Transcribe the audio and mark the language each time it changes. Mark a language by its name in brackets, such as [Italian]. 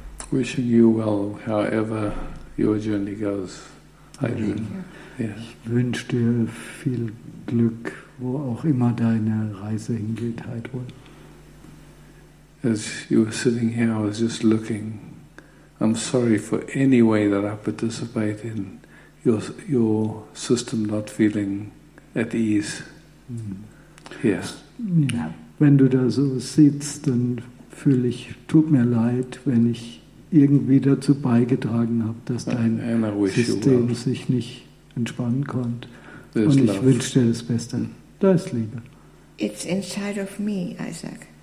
[English] Wishing you well, however your journey goes. [German] Ich wünsche dir viel Glück, wo auch immer deine Reise hingeht, Heidrun. [English] As you were sitting here, I was just looking. I'm sorry for any way that I participate in your system not feeling at ease. Yes. [German] Ja. Wenn du da so sitzt, dann fühle ich, tut mir leid, wenn ich irgendwie dazu beigetragen habe, dass dein System sich nicht entspannen konnte. [English] There's [German] und ich wünsche dir das Beste. Da ist Liebe. [English] It's inside of me, Isaac.